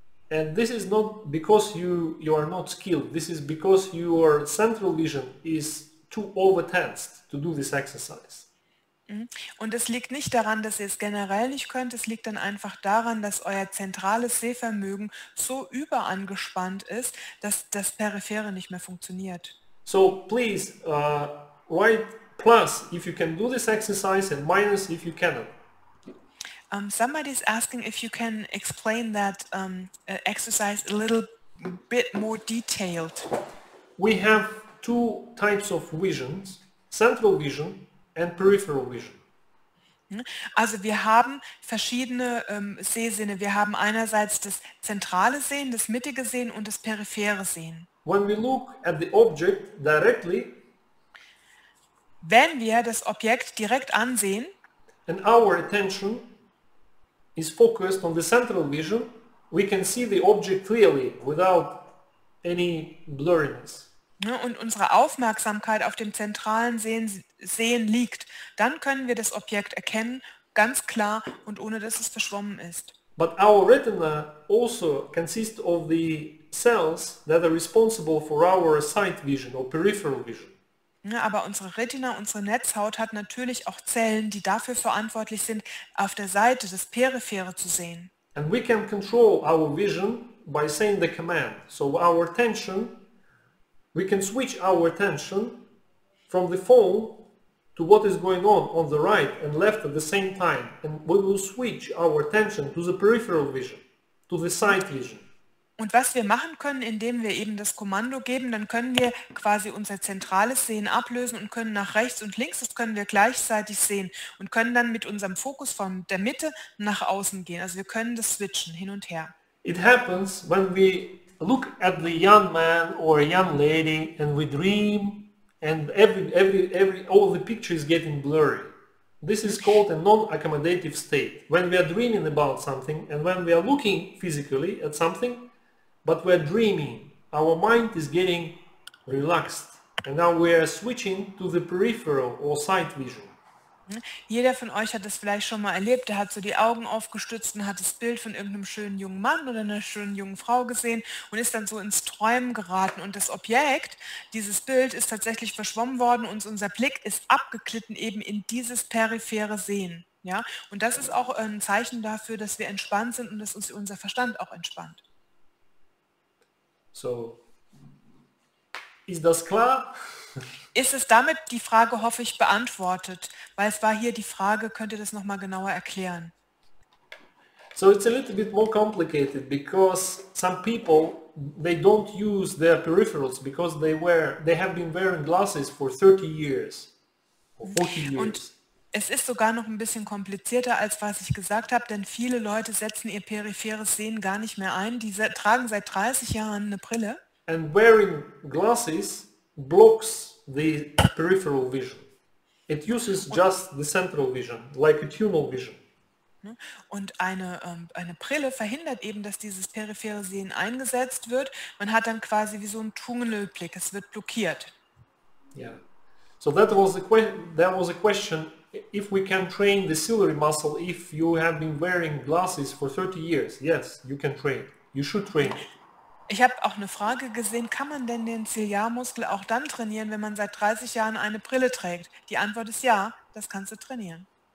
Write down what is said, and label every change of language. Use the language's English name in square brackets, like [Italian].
[English] And this is not because you are not skilled. This is because your central vision is too overtensed to do this exercise. [German] Und es liegt nicht daran, dass ihr es generell nicht könnt. Es liegt dann einfach daran, dass euer zentrales Sehvermögen so überangespannt ist, dass das Periphere nicht mehr funktioniert. [English] So please write plus if you can do this exercise and minus if you cannot. Somebody is asking if you can explain that exercise a little bit more detailed. We have two types of visions, central vision and peripheral vision. [German] Also wir haben verschiedene Sehsinne. Wir haben einerseits das zentrale Sehen, das mittige Sehen und das periphere Sehen. [English] When we look at the object directly, [German] wenn wir das Objekt direkt ansehen, [English] and our attention is focused on the central vision, we can see the object clearly without any blurriness. [German] Und unsere Aufmerksamkeit auf dem zentralen Sehen liegt, dann können wir das Objekt erkennen, ganz klar und ohne dass es verschwommen ist. [English] But our retina also consists of the cells that are responsible for our sight vision or peripheral vision. [German] Ja, aber unsere Retina, unsere Netzhaut hat natürlich auch Zellen, die dafür verantwortlich sind, auf der Seite des Periphere zu sehen. [English] And we can control our vision by saying the command. So our attention, we can switch our attention from the phone to what is going on the right and left at the same time. And we will switch our attention to the peripheral vision, to the sight vision. [German] Und was wir machen können, indem wir eben das Kommando geben, dann können wir quasi unser zentrales Sehen ablösen und können nach rechts und links, das können wir gleichzeitig sehen und können dann mit unserem Fokus von der Mitte nach außen gehen. Also wir können das switchen hin und her. [English] It happens when we look at the young man or a young lady and we dream and all the picture is getting blurry. This is called a non-accommodative state. When we are dreaming about something and when we are looking physically at something, but we're dreaming, our mind is getting relaxed and now we are switching to the peripheral or sight vision. [German] Jeder von euch hat das vielleicht schon mal erlebt, der hat so die Augen aufgestützt und hat das Bild von irgendeinem schönen jungen Mann oder einer schönen jungen Frau gesehen und ist dann so ins Träumen geraten und das Objekt, dieses Bild ist tatsächlich verschwommen worden und unser Blick ist abgeglitten eben in dieses periphere Sehen. Ja? Und das ist auch ein Zeichen dafür, dass wir entspannt sind und dass uns unser Verstand auch entspannt. So, ist das klar? Ist es damit die Frage, hoffe ich, beantwortet? Weil es war hier die Frage, könnt ihr das nochmal genauer erklären? [English] So, it's a little bit more complicated because some people, they don't use their peripherals because they have been wearing glasses for 30 years or 40 years. [German] Und es ist sogar noch ein bisschen komplizierter, als was ich gesagt habe, denn viele Leute setzen ihr peripheres Sehen gar nicht mehr ein. Die tragen seit 30 Jahren eine Brille. [English] And wearing glasses blocks the peripheral vision. It uses just the central vision, like a tunnel vision. [German] Und eine Brille verhindert eben, dass dieses periphere Sehen eingesetzt wird. Man hat dann quasi wie so einen Tunnelblick. Es wird blockiert. [English] Yeah. So that was a question. If we can train the ciliary muscle, if you have been wearing glasses for 30 years, yes, you can train. You should train. [German] Ich habe auch eine Frage gesehen, kann man denn den Ziliarmuskel auch dann trainieren, wenn man seit 30 Jahren eine Brille trägt? Die Antwort ist ja, das kannst du trainieren.